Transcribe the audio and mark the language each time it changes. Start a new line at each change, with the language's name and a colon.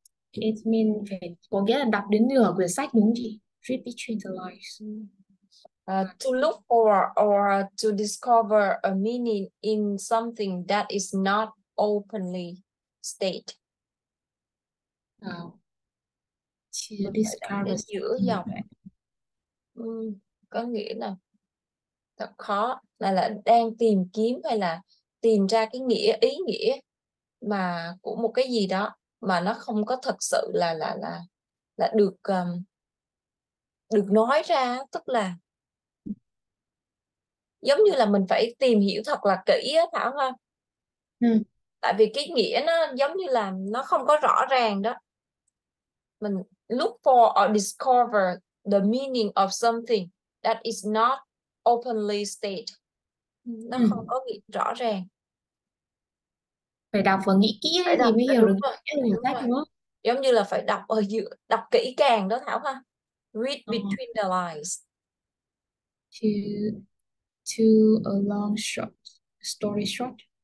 English: It means
Vietnamese: phải có nghĩa là đọc đến nửa quyển sách đúng không chị?
English: Read between the lines. To look for or to discover a meaning in something that is not openly stated. To discover something.
Vietnamese: Có nghĩa là thật khó, là đang tìm kiếm hay là tìm ra cái nghĩa, ý nghĩa mà của một cái gì đó mà nó không có thật sự là được được nói ra, tức là giống như là mình phải tìm hiểu thật là kỹ á Thảo ha. Tại vì cái nghĩa nó giống như là nó không có rõ ràng đó.
English: Mình look for or discover the meaning of something that is not openly stated.
Vietnamese: Nó không có nghĩa rõ ràng. Phải đọc và nghĩ kỹ phải thì đọc, mới hiểu đúng được rồi, cái người khác đúng không? Giống như là phải đọc ở giữa, đọc kỹ càng đó Thảo ha.
English: Read between the lines. To a long shot, story short.